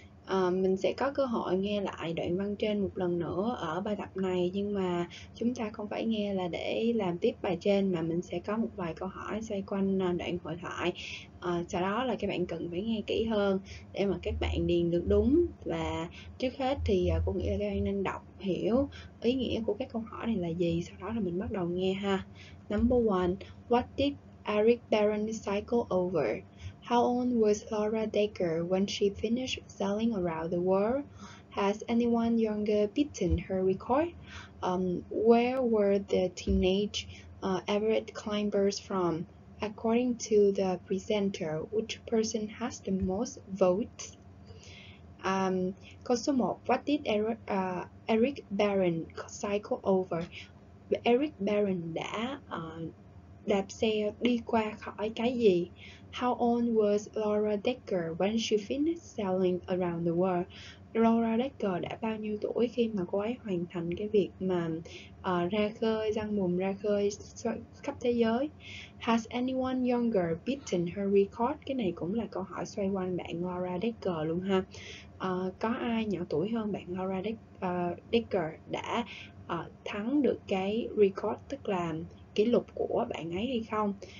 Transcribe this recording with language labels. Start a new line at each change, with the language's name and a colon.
Vietnamese: Mình sẽ có cơ hội nghe lại đoạn văn trên một lần nữa ở bài tập này, nhưng mà chúng ta không phải nghe là để làm tiếp bài trên, mà mình sẽ có một vài câu hỏi xoay quanh đoạn hội thoại. Sau đó là các bạn cần phải nghe kỹ hơn để mà các bạn điền được đúng. Và trước hết thì cô nghĩ là các bạn nên đọc hiểu ý nghĩa của các câu hỏi này là gì, sau đó là mình bắt đầu nghe ha.
English: Number 1, what did Eric Baron cycle over? How old was Laura Dacre when she finished sailing around the world? Has anyone younger beaten her record? Where were the teenage Everett climbers from? According to the presenter, which person has the most votes? Question 1. What did Eric Baron cycle over?
Vietnamese: Eric Baron đã đạp xe đi qua khỏi cái gì?
English: How old was Laura Dacre when she finished sailing around the world?
Vietnamese: Laura Dacre đã bao nhiêu tuổi khi mà cô ấy hoàn thành cái việc mà ra khơi, giăng mồm ra khơi khắp thế giới?
English: Has anyone younger beaten her record?
Vietnamese: Cái này cũng là câu hỏi xoay quanh bạn Laura Dacre luôn ha. Có ai nhỏ tuổi hơn bạn Laura Dacre đã thắng được cái record, tức là kỷ lục của bạn ấy hay không?